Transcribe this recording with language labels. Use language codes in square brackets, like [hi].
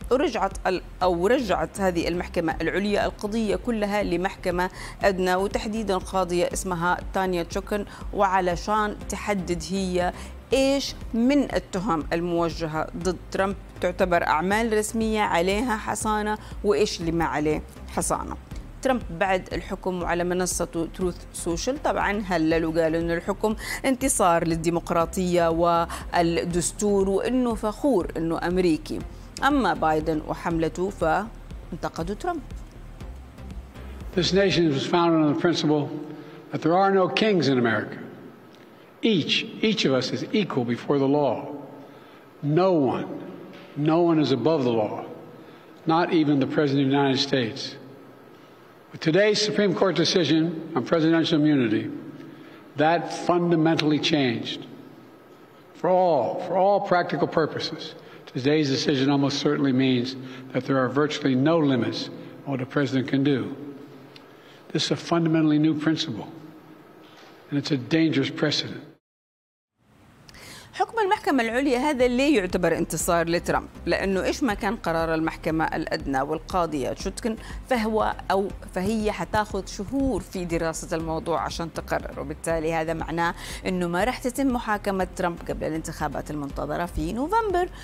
[ar] ورجعت هذه المحكمة العليا القضية كلها لمحكمة أدنى، وتحديدا قاضية اسمها تانيا تشوكن، وعلشان تحدد هي إيش من التهم الموجهة ضد ترامب تعتبر أعمال رسمية عليها حصانة وإيش اللي ما عليه حصانة. ترامب بعد الحكم وعلى منصة تروث سوشيال طبعا هلل وقال أن الحكم انتصار للديمقراطية والدستور وأنه فخور أنه أمريكي. أما بايدن وحملته فانتقدوا ترامب. [en] This nation was founded on the principle that there are no kings in America. Each of us is equal before the law. No one is above the law. Not even the President of the United States. With today's Supreme Court decision on presidential immunity, that fundamentally changed. For all practical purposes, today's decision almost certainly means that there are virtually no limits on what a president can do. This is a fundamentally new principle, and it's a dangerous precedent. [ar] حكم المحكمة العليا هذا ليه يعتبر انتصار لترامب؟ لأنه إيش ما كان قرار المحكمة الأدنى والقاضية تشوتكن فهي حتاخذ شهور في دراسة الموضوع عشان تقرر، وبالتالي هذا معناه أنه ما رح تتم محاكمة ترامب قبل الانتخابات المنتظرة في نوفمبر.